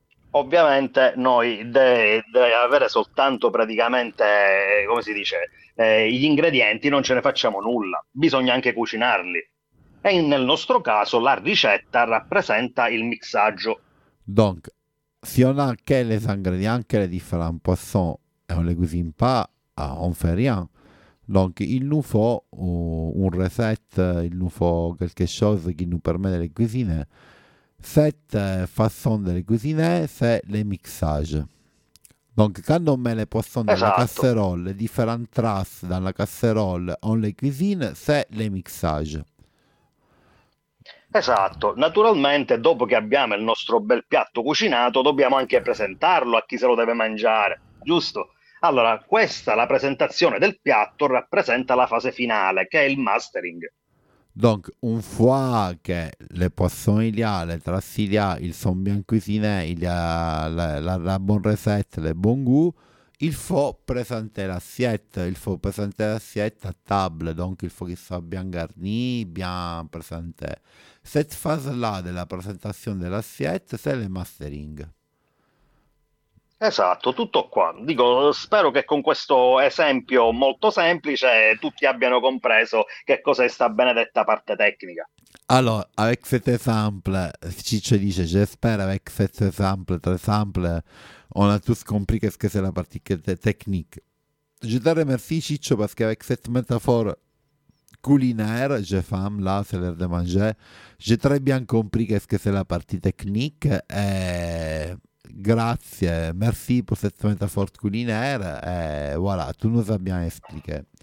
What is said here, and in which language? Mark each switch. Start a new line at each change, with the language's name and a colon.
Italian: Ovviamente noi deve avere soltanto praticamente, come si dice, gli ingredienti, non ce ne facciamo nulla, bisogna anche cucinarli. E nel nostro caso la ricetta rappresenta il mixaggio.
French: Donc, si on a que les ingrédients, que les différents poissons, et on ne les cuisine pas, on ne fait rien. Donc, il nous faut un recette, il nous faut quelque chose qui nous permet de les cuisiner. Cette façon de les cuisiner, c'est le mixage. Donc, quand on met les poissons dans la
Italian: Esatto.
French: casserole, les différentes traces dans la casserole, on les cuisine, c'est le mixage.
Italian: Esatto. Naturalmente, dopo che abbiamo il nostro bel piatto cucinato, dobbiamo anche presentarlo a chi se lo deve mangiare, giusto? Allora, questa, la presentazione del piatto, rappresenta la fase finale, che è il mastering.
French: Donc, une fois que les poissons il y a, les traces il y a, ils sont bien cuisinés, il y a la bonne recette, le bon goût, il faut présenter l'assiette, il faut présenter l'assiette à table. Donc, il faut qu'il soit bien garni, bien présenté. Cette phase-là de la présentation de l'assiette, c'est le mastering.
Italian: Esatto, tutto qua. Dico, spero che con questo esempio molto semplice tutti abbiano compreso che cos'è sta benedetta parte tecnica.
French: Allora, avec cet exemple, Ciccio
Italian: dice,
French: j'espère avec cet exemple, tre sample, on a tous compris qu'est-ce que c'est la partie technique. Je te remercie, Ciccio, parce qu'avec cette métaphore culinaire, j'ai faim, là, c'est l'heure de manger, j'ai très bien compris qu'est-ce que c'est la partie technique, et
Italian: grazie,
French: merci pour cette métaphore culinaire, et voilà, tu nous as bien expliqué.